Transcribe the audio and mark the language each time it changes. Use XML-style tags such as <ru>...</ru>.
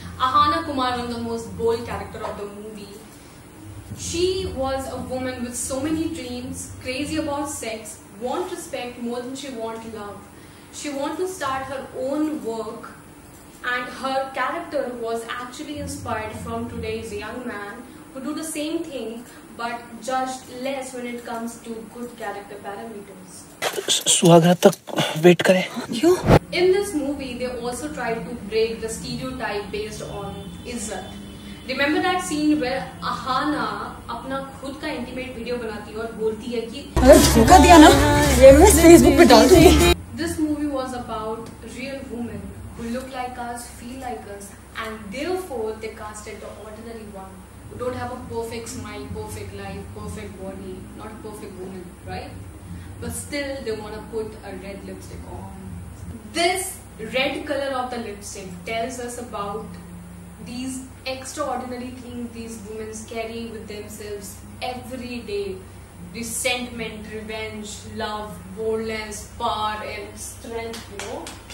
<en>Ahana Kumar was the most bold character of the movie. She was a woman with so many dreams, crazy about sex, want respect more than she want love. She want to start her own work, and her character was actually inspired from today's young man who do the same thing but judged less when it comes to good character parameters.</en> <hi>Swagatak. Wait करें क्यों</hi> <en>in this movie they also tried to break the stereotype based on इज्जत remember that scene where Ahana</en> <hi>अपना खुद का intimate video बनाती है और बोलती है कि अगर धोखा दिया ना ये मैं फेसबुक पे डाल दूंगी</hi> <en>This movie was about real women who look like us feel like us and therefore they casted the ordinary one who don't have a perfect smile perfect life perfect body not a perfect women right But still, they wanna put a red lipstick on. This red color of the lipstick tells us about these extraordinary things these women carry with themselves every day. Resentment, revenge, love, boldness, power and strength, you know.</en>